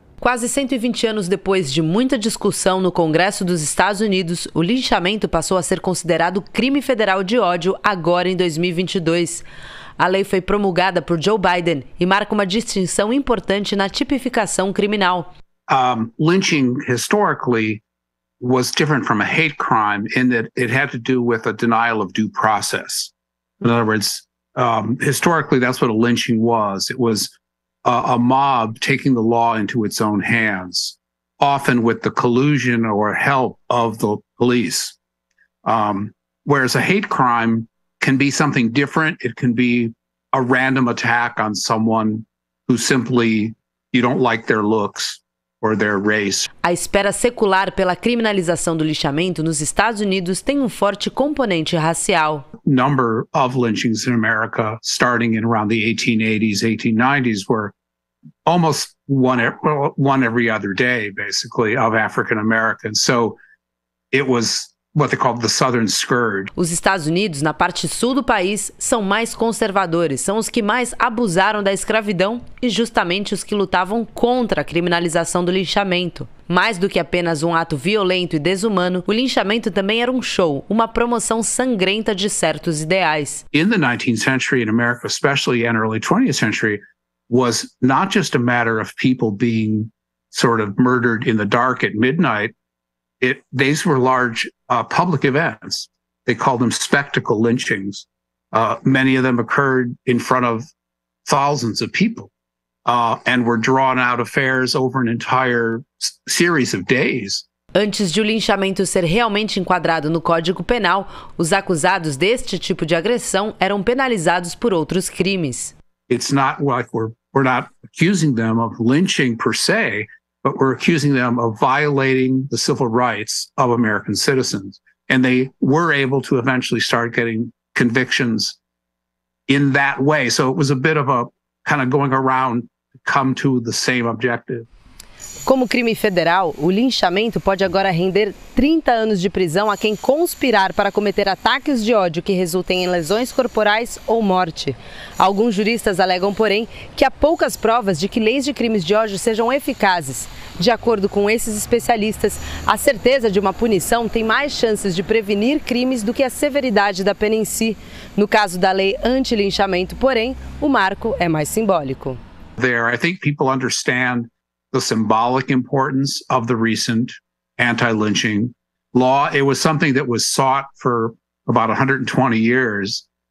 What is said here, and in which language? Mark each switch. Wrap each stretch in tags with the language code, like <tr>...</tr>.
<pt>Quase 120 anos depois de muita discussão no Congresso dos Estados Unidos, o linchamento passou a ser considerado crime federal de ódio agora em 2022. A lei foi promulgada por Joe Biden e marca uma distinção importante na tipificação criminal.</pt> <en>Lynching historically was different from a hate crime in that it had to do with a denial of due process. In other words, historically that's what a lynching was. It was a mob taking the law into its own hands, often with the collusion or help of the police. Whereas a hate crime can be something different. It can be a random attack on someone who simply you don't like their looks or their race.</en> <pt>A espera secular pela criminalização do linchamento nos Estados Unidos tem um forte componente racial.</pt> <en>Number of lynchings in America starting in around the 1880s, 1890s were almost one every other day, basically, of African Americans. So it was what they called the Southern Scourge.</en> <pt>Os Estados Unidos, na parte sul do país, são mais conservadores, são os que mais abusaram da escravidão e justamente os que lutavam contra a criminalização do linchamento. Mais do que apenas um ato violento e desumano, o linchamento também era um show, uma promoção sangrenta de certos ideais.</pt> <en>In the 19th century, in America especially, and early 20th century, was not just a matter of people being sort of murdered in the dark at midnight. These were large public events. They called them spectacle lynchings. Many of them occurred in front of thousands of people and were drawn out affairs over an entire series of days.</en> <pt>Antes de o linchamento ser realmente enquadrado no Código Penal, os acusados deste tipo de agressão eram penalizados por outros crimes.</pt> <en>It's not like we're not accusing them of lynching per se, but we're accusing them of violating the civil rights of American citizens. And they were able to eventually start getting convictions in that way. So it was a bit of a kind of going around to come to the same objective.</en> <pt>Como crime federal, o linchamento pode agora render 30 anos de prisão a quem conspirar para cometer ataques de ódio que resultem em lesões corporais ou morte. Alguns juristas alegam, porém, que há poucas provas de que leis de crimes de ódio sejam eficazes. De acordo com esses especialistas, a certeza de uma punição tem mais chances de prevenir crimes do que a severidade da pena em si. No caso da lei anti-linchamento, porém, o marco é mais simbólico.</pt> <en>I think people understand the symbolic importance of the recent anti-lynching law. It was something that was sought for about 120 years.</en>